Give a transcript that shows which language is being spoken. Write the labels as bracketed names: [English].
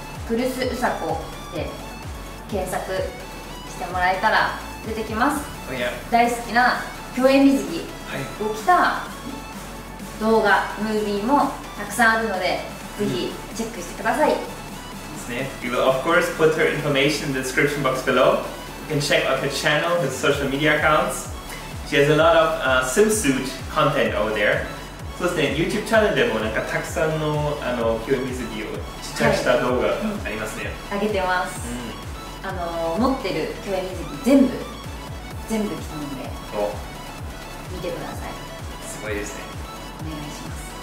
[Japanese] クルス・ウサコで検索してもらえたら出てきます。おや、大好きな競泳水着を着た動画、ムービーもたくさんあるのでぜひチェックしてください。ですね。 [English] We will of course put her information in the description box below. You can check out her channel, her social media accountsShe has a lot of、swimsuit content over there. [Japanese] そうですね、YouTube チャンネルでもなんかたくさんの競泳水着をちっちゃくした動画がありますね。はい、上げてます。持ってる競泳水着全部着たので、見てください。すごいですね。お願いします。